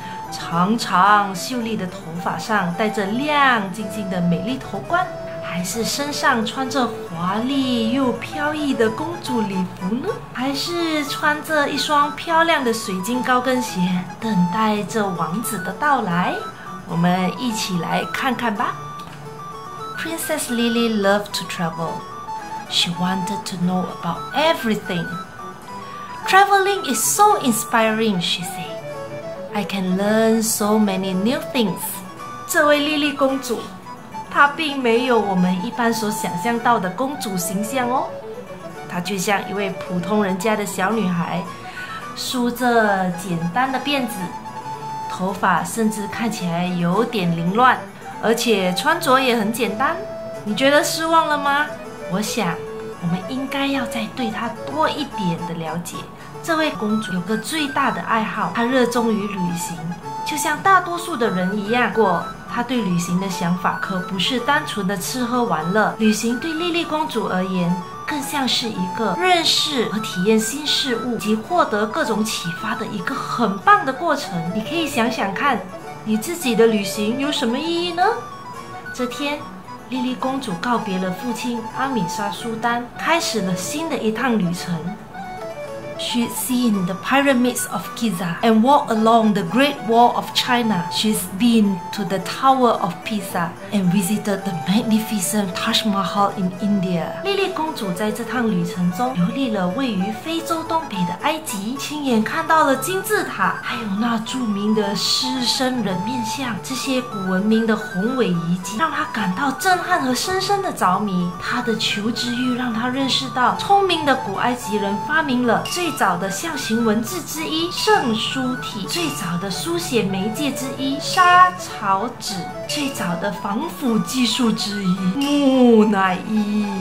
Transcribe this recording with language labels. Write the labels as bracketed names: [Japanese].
[Chinese] 长长秀丽的头发上戴着亮晶晶的美丽头冠，还是身上穿着华丽又飘逸的公主礼服呢？还是穿着一双漂亮的水晶高跟鞋，等待着王子的到来？我们一起来看看吧。 [English] Princess Lily loved to travel. She wanted to know about everything. Traveling is so inspiring, she said. I can learn so many new things. [Chinese] 这位莉莉公主，她并没有我们一般所想象到的公主形象哦，她就像一位普通人家的小女孩，梳着简单的辫子，头发甚至看起来有点凌乱，而且穿着也很简单。你觉得失望了吗？我想我们应该要再对她多一点的了解。这位公主有个最大的爱好，她热衷于旅行，就像大多数的人一样。她对旅行的想法可不是单纯的吃喝玩乐，旅行对莉莉公主而言更像是一个认识和体验新事物及获得各种启发的一个很棒的过程。你可以想想看，你自己的旅行有什么意义呢？这天，莉莉公主告别了父亲阿米莎苏丹，开始了新的一趟旅程。 [English] She seen the pyramids of Giza and walked along the Great Wall of China. She's been to the Tower of Pisa and visited the magnificent Taj Mahal in India. [Chinese] 莉莉公主在这趟旅程中游历了位于非洲东北的埃及，亲眼看到了金字塔，还有那著名的狮身人面像。这些古文明的宏伟遗迹让她感到震撼和深深的着迷。她的求知欲让她认识到，聪明的古埃及人发明了最早的象形文字之一圣书体，最早的书写媒介之一莎草纸，最早的防腐技术之一木乃伊。